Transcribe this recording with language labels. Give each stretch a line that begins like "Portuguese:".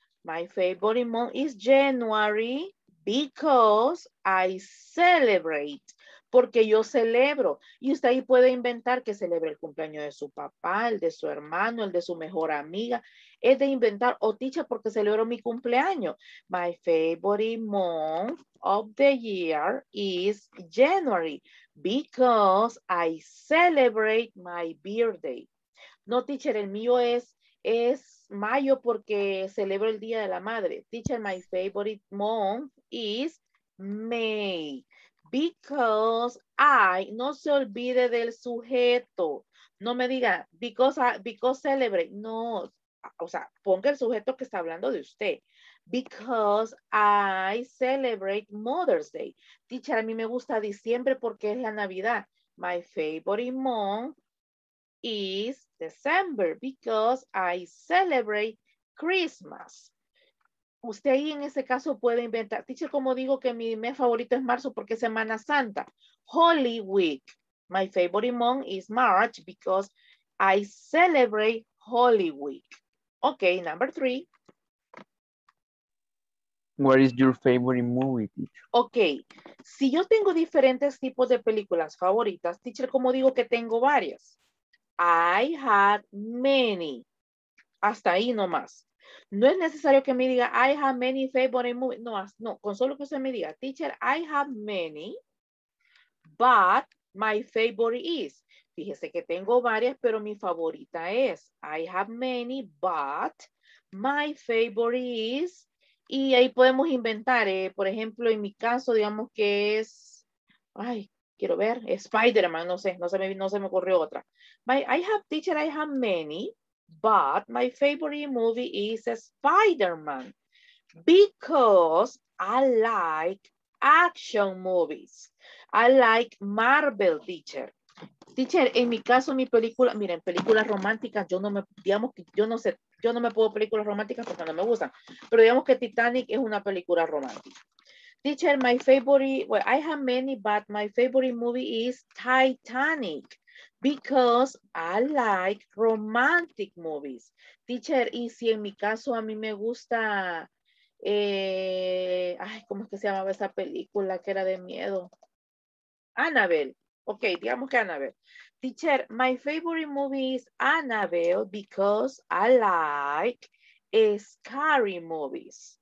English: My favorite month is January because I celebrate.
Spanish: Porque yo celebro. Y usted ahí puede inventar que celebre el cumpleaños de su papá, el de su hermano, el de su mejor amiga. Es de inventar. O teacher, porque celebro mi cumpleaños.
English: My favorite month of the year is January because I celebrate my birthday. No, teacher,
Spanish: el mío es es mayo porque celebro el Día de la Madre.
English: Teacher, my favorite month is May. Because I,
Spanish: no se olvide del sujeto. No me diga,
English: because celebrate.
Spanish: No, o sea, ponga el sujeto que está hablando de usted.
English: Because I celebrate Mother's Day.
Spanish: Teacher, a mí me gusta diciembre porque es la Navidad.
English: My favorite month is December because I celebrate Christmas.
Spanish: Usted ahí en ese caso puede inventar. Teacher, como digo que mi mes favorito es marzo porque es Semana Santa.
English: Holy Week. My favorite month is March because I celebrate Holy Week. Okay, number three. What is your favorite movie, teacher?
Spanish: Okay, si yo tengo diferentes tipos de películas favoritas, teacher, como digo que tengo varias.
English: I had many.
Spanish: Hasta ahí nomás. No es necesario que me diga,
English: I have many favorite movies.
Spanish: No, no, con solo que usted me diga, teacher,
English: I have many, but my favorite is.
Spanish: Fíjese que tengo varias, pero mi favorita es.
English: I have many, but my favorite is.
Spanish: Y ahí podemos inventar, por ejemplo, en mi caso, digamos que es, ay, quiero ver, Spider-Man, no sé, no se me ocurrió otra.
English: I have many, but my favorite movie is Spider-Man, because I like action movies. I like Marvel, teacher.
Spanish: Teacher, en mi caso, mi película, miren, películas románticas, yo no me puedo películas románticas porque no me gustan, pero digamos que Titanic es una película romántica.
English: Teacher, my favorite, well, I have many, but my favorite movie is Titanic, because I like romantic movies.
Spanish: Teacher, y si en mi caso a mí me gusta, ¿cómo es que se llamaba esa película que era de miedo?
English: Annabelle.
Spanish: Ok, digamos que Annabelle.
English: Teacher, my favorite movie is Annabelle because I like scary movies.